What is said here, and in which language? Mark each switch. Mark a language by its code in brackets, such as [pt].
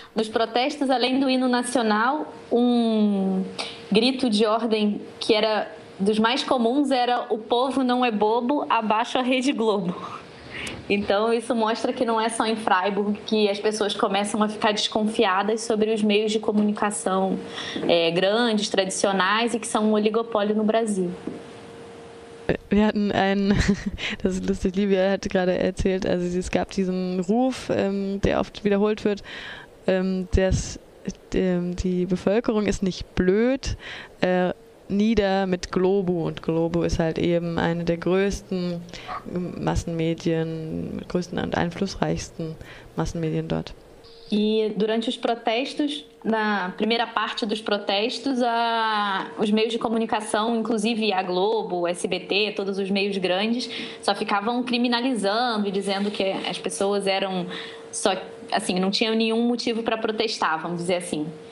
[pt] Nos protestos, além do hino nacional, um grito de ordem que era dos mais comuns era: o povo não é bobo, abaixa a Rede Globo. Então, isso mostra que não é só em Freiburg que as pessoas começam a ficar desconfiadas sobre os meios de comunicação grandes, tradicionais, e que são um oligopólio no Brasil. [de] Wir hatten einen, das ist lustig, Livia hat gerade erzählt, also es gab diesen Ruf, der oft wiederholt wird, dass die Bevölkerung ist nicht blöd, nieder mit Globo, und Globo ist halt eben eine der größten Massenmedien, größten und einflussreichsten Massenmedien dort. [pt] E durante os protestos, na primeira parte dos protestos, os meios de comunicação, inclusive a Globo, o SBT, todos os meios grandes, só ficavam criminalizando e dizendo que as pessoas eram só, assim, não tinham nenhum motivo para protestar, vamos dizer assim.